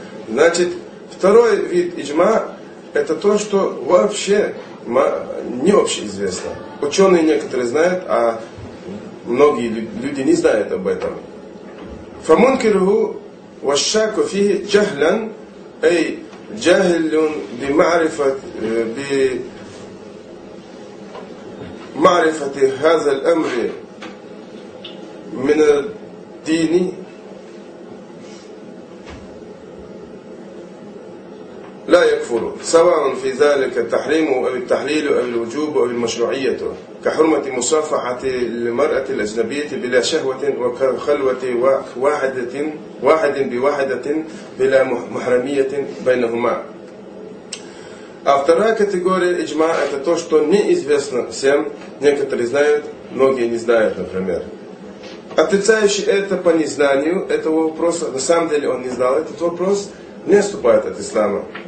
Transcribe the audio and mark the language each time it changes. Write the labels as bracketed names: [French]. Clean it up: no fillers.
[Russian] Значит, второй вид иджма это то, что вообще не общеизвестно. Ученые некоторые знают, а многие люди не знают об этом. [Arabic] Фамункиру вашаку фихи джахлян, эй джахлюн би маарифат би... معرفة هذا الأمر من الدين لا يكفر سواء في ذلك التحريم أو التحليل أو الوجوب أو المشروعية كحرمة مصافحة المرأة الأجنبية بلا شهوة وكخلوة واحد بواحدة بلا محرمية بينهما. [Russian] А вторая категория иджма – это то, что неизвестно всем, некоторые знают, многие не знают, например. Отрицающий это по незнанию этого вопроса, на самом деле он не знал этот вопрос, не отступает от ислама.